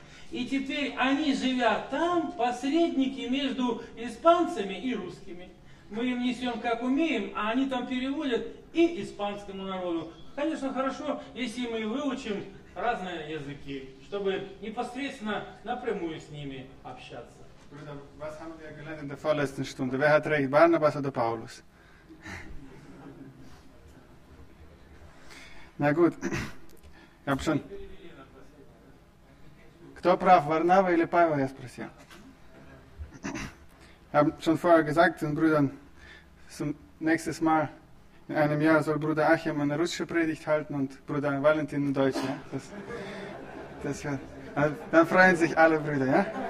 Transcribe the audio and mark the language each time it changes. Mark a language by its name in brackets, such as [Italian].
[Russian] И теперь они, живя там, посредники между испанцами и русскими. Мы им несем, как умеем, а они там переводят и испанскому народу. Конечно, хорошо, если мы выучим разные языки, чтобы непосредственно напрямую с ними общаться. [German] Брюдер, was haben wir gelernt in der vorletzten Stunde? Wer hat recht, Barnabas oder Paulus? Na gut, ich habe schon... [Russian] Кто прав, Варнава или Павел, я спросил. [German] Ich habe schon vorher gesagt, den Brüdern, zum nächsten Mal In einem Jahr soll Bruder Achim eine russische Predigt halten und Bruder Valentin eine deutsche. Ja? Das wird, dann freuen sich alle Brüder. Ja?